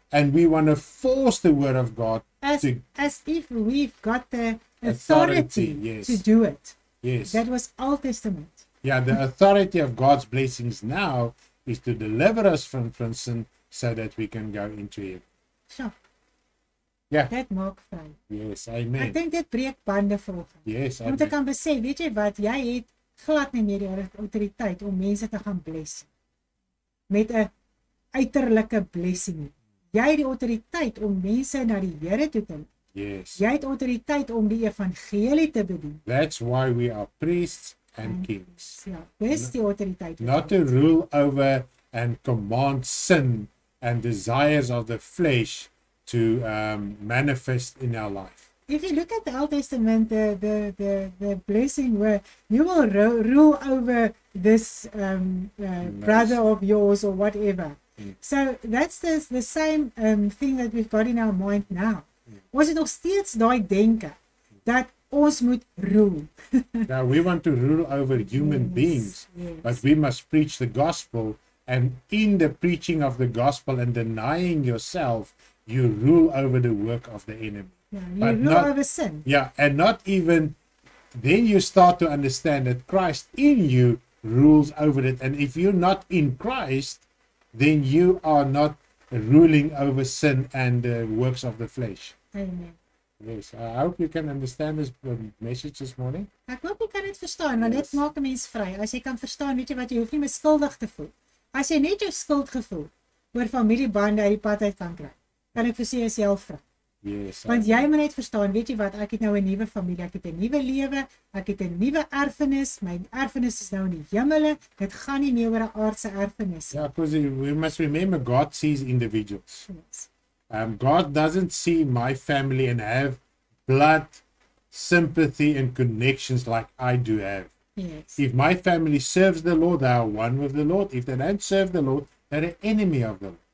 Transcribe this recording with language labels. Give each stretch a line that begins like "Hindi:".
English: And we want to force the word of God as if we've got the authority yes. to do it. Yes. That was Old Testament. Yeah, the authority of God's blessings now is to deliver us from sin so that we can go into it. Sure.
Afrikaans: Ja. Dit maak vry.
English: Yes, amen.
Afrikaans: Ek dink dit breek bande vanoggend.
English: Yes,
Afrikaans: amen. Om te kan besef, weet jy wat, jy het glad nie meer die autoriteit om mense te gaan bless met 'n uiterlike blessing. Jy het die autoriteit om mense na die Here toe te bring.
English: Yes.
Afrikaans: Jy het autoriteit om die evangelie te bedien.
English: That's why we are priests and kings.
Afrikaans: Ja, dis die autoriteit.
English: Not to rule over and command sin and desires of the flesh to manifest in our life. If you look at the Old Testament, the blessing where you will rule over this brother of yours or whatever. Mm. So that's the same thing that we've got in our mind now. Mm.
Afrikaans: Ons het nog steeds daai denke dat ons moet rule.
English: Now we want to rule over human beings, yes. but we must preach the gospel, and in the preaching of the gospel and denying yourself, you rule over the work of the enemy. Yeah, over sin. Yeah, and not even, then you start to understand that Christ in you rules over it. And if you're not in Christ, then you are not ruling over sin and the works of the flesh. Amen. Yes, I hope you can understand this message this morning.
Afrikaans: Ek hoop jy kan dit verstaan, want dit maak 'n mens vry. As jy kan verstaan, weet jy wat, jy hoef nie meer skuldig te voel. As jy net jou skuld gevoel oor familiebande uit die pad uit kan kry. Kan ek vir jouself vra?
English: Yes.
Afrikaans: Want jy moet net verstaan, weet jy wat, ek het nou 'n nuwe familie, ek het 'n nuwe lewe, ek het 'n nuwe erfenis, my erfenis is nou in die hemele, dit gaan nie meer oor 'n aardse erfenis.
English: Yeah, because we must remember God sees individuals. Yes. God doesn't see my family and have blood, sympathy and connections like I do have. Yes. If my family serves the Lord, they are one with the Lord. If they don't serve the Lord, they're an enemy of the Lord.